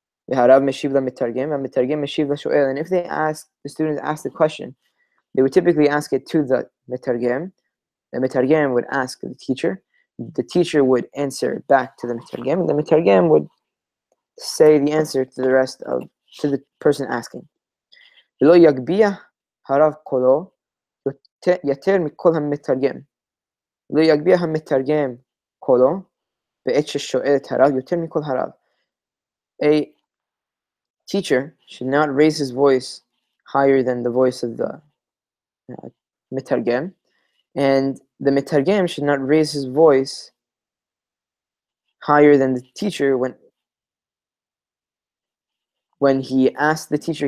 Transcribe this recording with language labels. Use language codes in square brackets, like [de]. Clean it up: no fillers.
[he] V'harav meshiv lamitargem, v'mitargem meshiv la'shu'el. [en] And if the students ask the question, they would typically ask it to the mitargem. The mitargem would ask the teacher. The teacher would answer back to the mitargem, and the mitargem would say the answer to the rest of, to the person asking. [he] ולא יגביה הרב קולו יותר מכל המתרגם. לא יגביה המתרגם קולו בעת ששואל את הרב יותר מכל הרב. [en] A teacher should not raise his voice higher than the voice of the mitargem, and the mitargem should not raise his voice higher than the teacher when he asks the teacher.